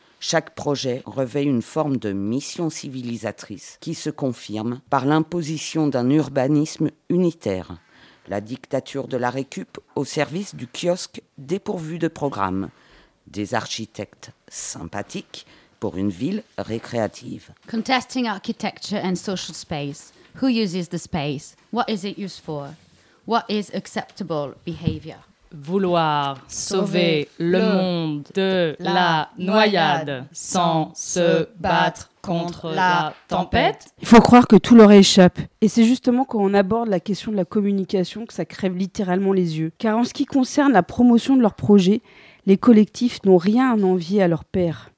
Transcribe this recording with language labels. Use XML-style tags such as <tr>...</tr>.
<fr>Chaque projet revêt une forme de mission civilisatrice qui se confirme par l'imposition d'un urbanisme unitaire, la dictature de la récup au service du kiosque dépourvu de programme, des architectes sympathiques pour une ville récréative.</fr> <en>Contesting architecture and social space. Who uses the space? What is it used for? What is acceptable behavior?</en> <fr>Vouloir sauver le monde de la noyade sans se battre contre la tempête. Il faut croire que tout leur échappe. Et c'est justement quand on aborde la question de la communication que ça crève littéralement les yeux. Car en ce qui concerne la promotion de leurs projets, les collectifs n'ont rien à envier à leurs pairs.</fr>